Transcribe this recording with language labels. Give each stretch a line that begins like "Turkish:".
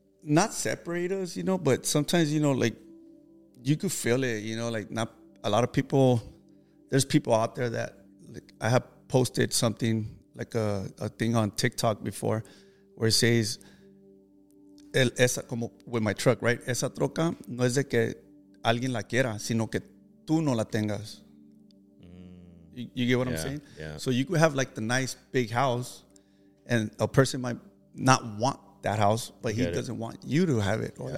English: Not separate us, you know, but sometimes, you know, like, you could feel it, you know, like, not a lot of people, there's people out there that, like, I have posted something, like a thing on TikTok before, where it says,
Spanish: esa como
English: with my truck, right?
Spanish: Esa troca no es de que alguien la quiera, sino que tú no la tengas.
English: You get what I'm saying? Yeah. So you could have like the nice big house, and a person might not want that house, but he doesn't want you to have it.